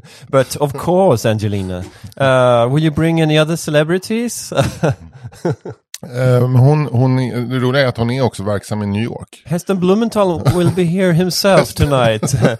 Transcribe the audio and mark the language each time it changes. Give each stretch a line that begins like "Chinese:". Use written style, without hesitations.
English: but of course, Angelina. Will you bring any other celebrities?
Swedish: Hon det roliga är att hon är också verksam i New York.
English: Heston Blumenthal will be here himself tonight.